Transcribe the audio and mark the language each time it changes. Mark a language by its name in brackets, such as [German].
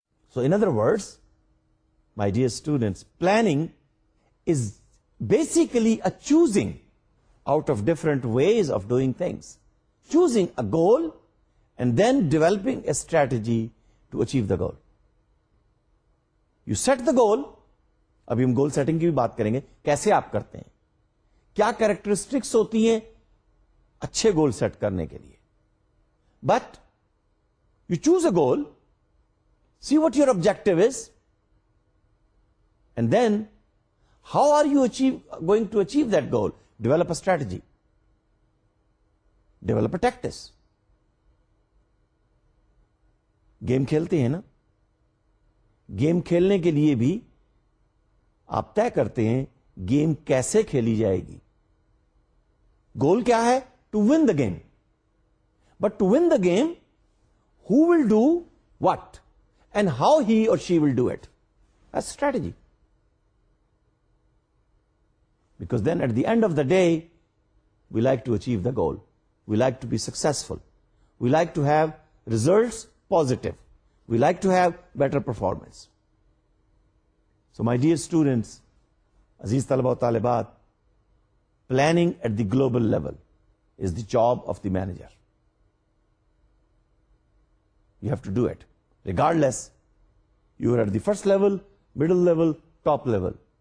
[English] So in other words, my dear students, planning is basically a choosing out of different ways of doing things. Choosing a goal and then developing a strategy to achieve the goal. You set the goal. [Urdu] ابھی ہم goal setting کی بھی بات کریں گے, کیسے آپ کرتے ہیں, کیا کریکٹرسٹکس ہوتی ہیں اچھے گول سیٹ کرنے کے لیے. [English] But you choose a goal, see what your objective is, and then how are you achieve going to achieve that goal. Develop a strategy, develop a tactics. [Urdu] Game کھیلتے ہیں نا, گیم کھیلنے کے لیے بھی آپ طے کرتے ہیں گیم کیسے کھیلی جائے گی. گول کیا ہے؟ [English] To win the game. But to win the game, who will do what and how he or she will do it, strategy. Because then at the end of the day we like to achieve the goal, we like to be successful, we like to have results positive, we like to have better performance. So my dear students, [Arabic] aziz talaba wa talibat, [English] planning at the global level is the job of the manager. You have to do it. Regardless, you are at the first level, middle level, top level.